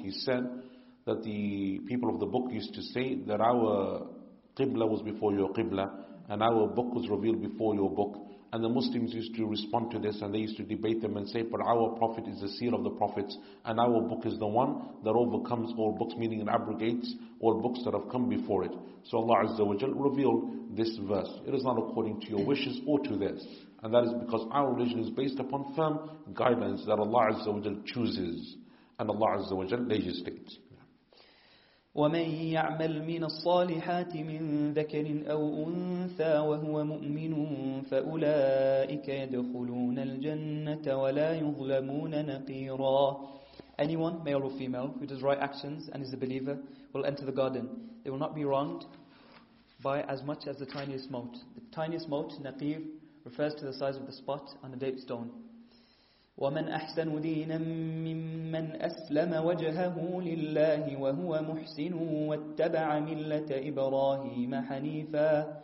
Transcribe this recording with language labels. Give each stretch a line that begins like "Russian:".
English: He said that the people of the book used to say that our Qibla was before your Qibla and our book was revealed before your book, and the Muslims used to respond to this and they used to debate them and say, but our prophet is the seal of the prophets and our book is the one that overcomes all books, meaning it abrogates all books that have come before it. So Allah Azza wa Jal revealed this verse. It is not according to your wishes or to theirs. And that is because our religion is based upon firm guidelines that Allah Azza wa Jal chooses and Allah Azza wa Jal legislates.
Arabic: ومن يعمل من الصالحات من ذكر أو أنثى وهو مؤمن فأولئك يدخلون الجنة ولا يظلمون نقيرا.
English: Anyone, male or female, who does right actions and is a believer will enter the garden. They will not be wronged by as much as the tiniest mote. The tiniest mote, naqir, refers to the size of the spot on a date stone.
Arabic: وَمَنْ أَحْسَنُ دِينًا مِّمَّنْ أَسْلَمَ وَجْهَهُ لِلَّهِ وَهُوَ مُحْسِنٌ وَاتَّبَعَ مِلَّةَ إِبْرَاهِيمَ حَنِيفًا.